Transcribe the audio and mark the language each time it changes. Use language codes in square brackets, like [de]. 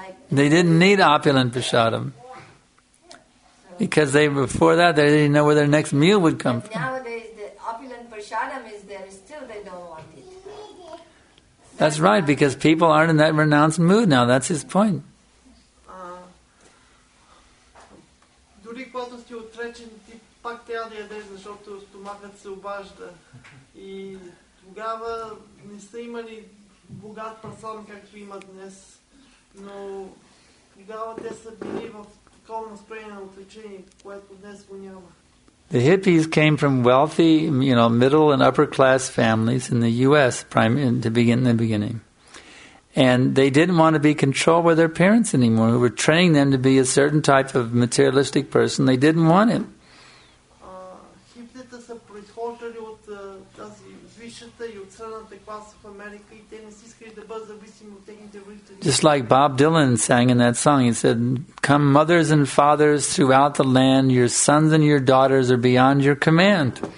[en] They didn't need opulent prasadam. Because before that, they didn't know where their next meal would come from. Nowadays, the opulent prasadam is there, still they don't want it. That's right, because people aren't in that renounced mood now. That's his point. [bg] Дори когато сте отречен, ти пак трябва да ядеш, защото стомахът се обажда. И тогава не са имали богат прасадам, както има днес. Но Тогава те са били в такова спрямо отличение, което днес го няма. [en] The hippies came from wealthy, you know, middle and upper class families in the U.S. in the beginning. And they didn't want to be controlled by their parents anymore, who were training them to be a certain type of materialistic person. They didn't want it. [bg] Хиптите са произхождали от тази висшата и от средната класа в Америка и те не си искали да бъдат зависими от техните родители. [en] Just like Bob Dylan sang in that song, he said, "Come mothers and fathers throughout the land, your sons and your daughters are beyond your command."